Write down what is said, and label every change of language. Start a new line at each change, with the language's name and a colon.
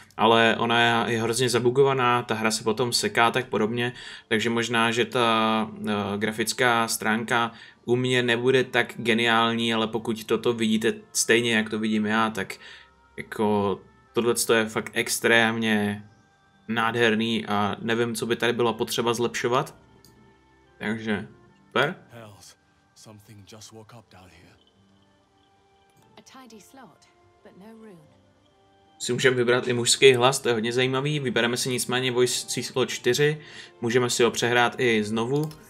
Czech: Ale ona je hrozně zabugovaná, ta hra se potom seká tak podobně, takže možná, že ta grafická stránka u mě nebude tak geniální, ale pokud toto vidíte stejně, jak to vidím já, tak jako tohleto je fakt extrémně nádherný a nevím, co by tady bylo potřeba zlepšovat. Takže super.
English: Hells, something just woke up down here. A tidy slot, but no rune.
Czech: Si můžeme vybrat i mužský hlas, to je hodně zajímavý. Vybereme si nicméně voice číslo 4. Můžeme si ho přehrát i znovu.